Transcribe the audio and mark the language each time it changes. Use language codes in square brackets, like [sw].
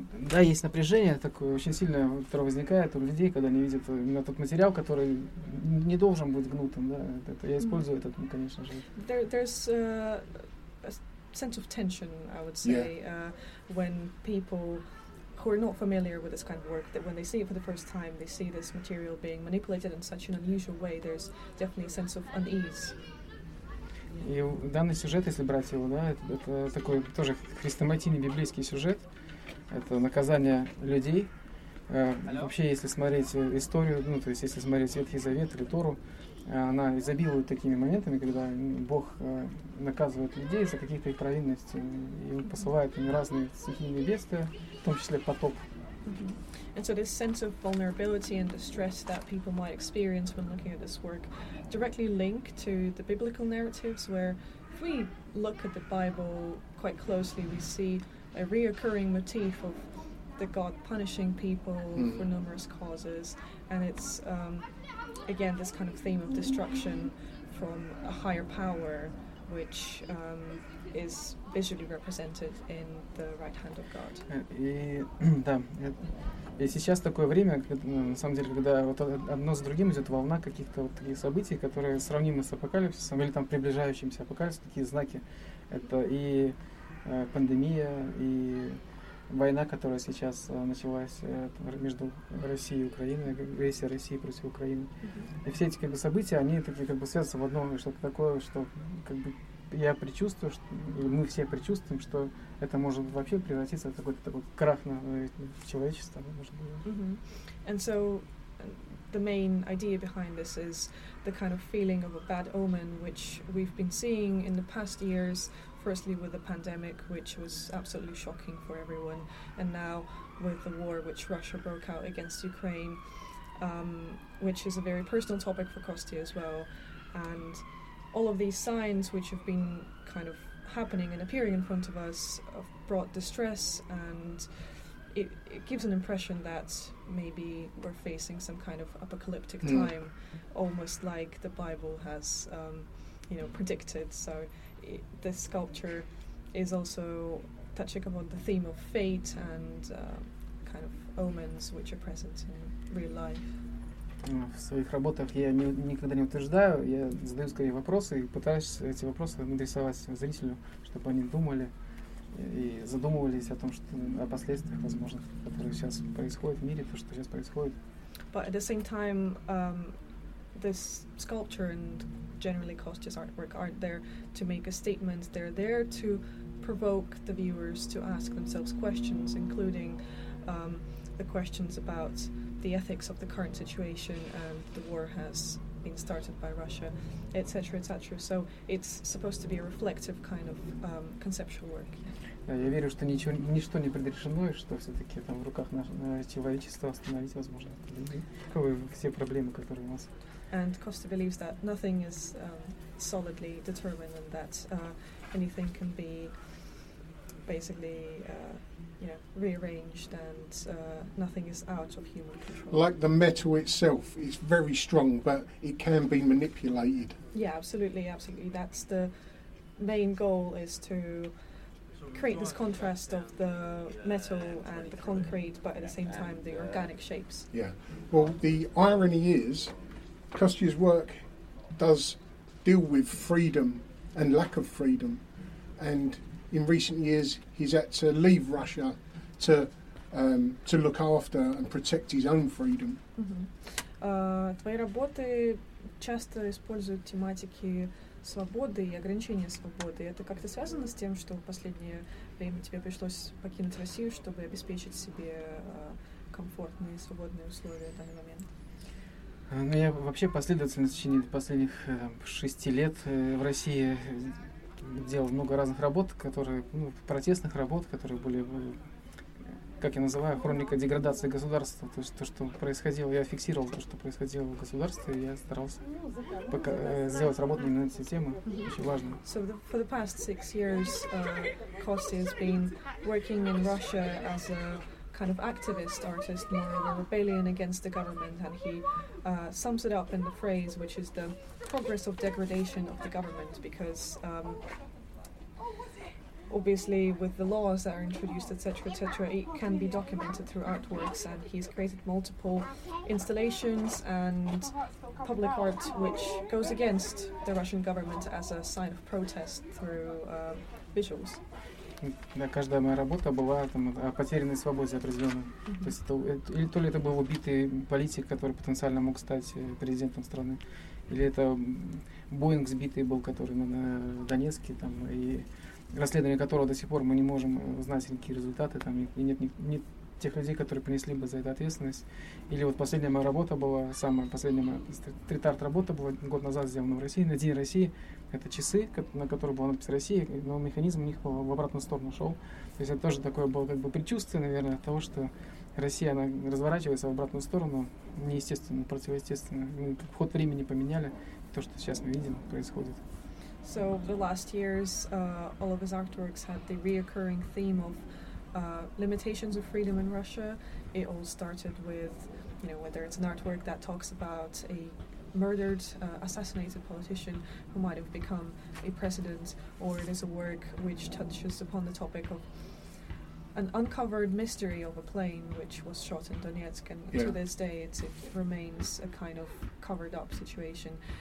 [ru] Да, есть напряжение такое очень сильное, которое возникает у людей, когда они видят именно тот материал, который не должен быть гнутым. Да, это я использую mm-hmm. этот, конечно же. [en] There's a sense of tension, I would say, when people who are not familiar with this kind of work, that when they see it for the first time, they see this material being manipulated in such an unusual way. There's definitely a sense of unease. [ru] И данный сюжет, если брать его, да, это такой тоже хрестоматийный библейский сюжет. Это наказание людей. Вообще, если смотреть историю, ну, то есть если смотреть Ветхий Завет или Тору, она изобилует такими моментами, когда Бог наказывает людей за какие-то их провинности. И Он посылает им разные стихийные бедствия, в том числе потоп. [en] And so this sense of vulnerability and distress that people might experience when looking at this work directly link to the biblical narratives, where if we look at the Bible quite closely, we see a reoccurring motif of the God punishing people for numerous causes, and it's again this kind of theme of destruction from a higher power, which is visually represented in the right hand of God. [ru] И сейчас такое время, на самом деле, когда вот одно за другим идет волна каких-то вот таких событий, которые сравнимы с апокалипсисом или там приближающимся апокалипсисом, такие знаки. Это и пандемия, и война, которая сейчас началась между Россией и Украиной, агрессия России против Украины. Mm-hmm. И все эти как бы события, они такие как бы связаны в одно, что-то такое, что как бы я предчувствую, что мы все предчувствуем, что это может вообще превратиться в какой-то такой крах на человечество, может быть. Mm-hmm. [en] And so the main idea behind this is the kind of feeling of a bad omen, which we've been seeing in the past years, firstly with the pandemic, which was absolutely shocking for everyone, and now with the war which Russia broke out against Ukraine, which is a very personal topic for Kosti as well. And all of these signs which have been kind of happening and appearing in front of us have brought distress, and it gives an impression that maybe we're facing some kind of apocalyptic time, almost like the Bible has predicted. So this sculpture is also touching upon the theme of fate and kind of omens which are present in real life. [ru] В своих работах я никогда не утверждаю, я задаю скорее вопросы и пытаюсь эти вопросы адресовать зрителю, чтобы они думали и задумывались о том, что о последствиях, возможно, которые сейчас происходят в мире, то, что сейчас происходит. [en] But at the same time, this sculpture and generally Kostya's artwork aren't there to make a statement. They're there to provoke the viewers to ask themselves questions, including the questions about the ethics of the current situation and the war has been started by Russia, etc., etc. So it's supposed to be a reflective kind of conceptual work. [ru] Я верю, что ничто не предрешено, и что все-таки там в руках человечества остановить возможно. Каковы все проблемы, которые у нас? [en] And Kostya believes that nothing is solidly determined, and that anything can be basically rearranged, and nothing is out of human control. Like the metal itself, it's very strong, but it can be manipulated. Yeah, absolutely, absolutely. That's the main goal, is to create this contrast of the metal and the concrete, but at the same time the organic shapes. Yeah. Well, the irony is, Kostya's work does deal with freedom and lack of freedom, and in recent years he's had to leave Russia to look after and protect his own freedom. [ru] Твои работы часто используют тематики свободы и ограничения свободы. Это как-то связано с тем, что в последнее время тебе пришлось покинуть Россию, чтобы обеспечить себе комфортные и свободные условия в данный момент? Ну, я вообще последовательно в течение последних шести лет в России делал много разных работ, которые, ну, протестных работ, которые были, как я называю, хроника деградации государства. То есть то, что происходило, я фиксировал то, что происходило в государстве, и я старался сделать работу именно на эти темы, очень важно. [en] So for the past six years, Kostya has been working in Russia as a kind of activist artist, more of a rebellion against the government, and he sums it up in the phrase, which is the progress of degradation of the government, because obviously with the laws that are introduced, etc., etc., it can be documented through artworks, and he's created multiple installations and public art which goes against the Russian government as a sign of protest through visuals. [ru] Да, каждая моя работа была там о потерянной свободе определенной. Mm-hmm. То есть то ли это был убитый политик, который потенциально мог стать президентом страны, или это Боинг сбитый был, который на Донецке, там, и расследование которого до сих пор мы не можем узнать никакие результаты, там, и нет тех людей, которые понесли бы за это ответственность. Или вот последняя моя работа была, самая последняя моя стрит-арт работа была год назад сделана в России, на День России. Это часы, на которые была надпись «Россия», но механизм у них в обратную сторону шел. То есть это тоже такое было как бы предчувствие, наверное, от того, что Россия, она разворачивается в обратную сторону, неестественно, противоестественно. Мы ход времени поменяли, то, что сейчас мы видим, происходит. [en] So the last years, all of his artworks had the reoccurring theme of limitations of freedom in Russia. It all started with, you know, whether it's an artwork that talks about a murdered, assassinated politician who might have become a president, or it is a work which touches upon the topic of an uncovered mystery of a plane which was shot in Donetsk, and to this day it remains a kind of covered up situation.